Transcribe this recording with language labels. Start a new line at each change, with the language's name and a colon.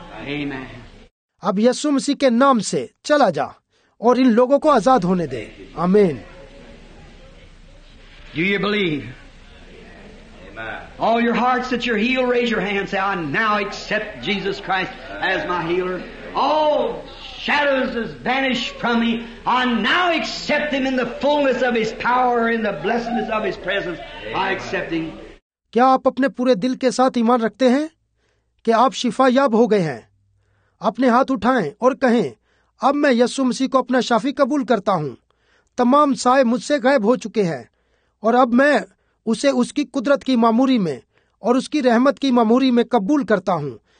English: Amen.
Hindi: अब यीशु मसीह के नाम से चला जा और इन लोगों को आजाद होने दे। आमीन।
English: Do you believe? Amen. All your hearts that you're healed, raise your hands. Say, I now accept Jesus Christ as my healer. All shadows has vanished from me. I now accept Him in the fullness of His power, in the blessedness of His presence. Amen. I accept Him.
Hindi: क्या आप अपने पूरे दिल के साथ ईमान रखते हैं कि आप शिफा याब हो गए हैं? अपने हाथ उठाएं और कहें, अब मैं यीशु मसीह को अपना शाफी कबूल करता हूं। तमाम साए मुझसे गायब हो चुके हैं और अब मैं उसे उसकी कुदरत की मामूरी में और उसकी रहमत की मामूरी में कबूल करता हूं।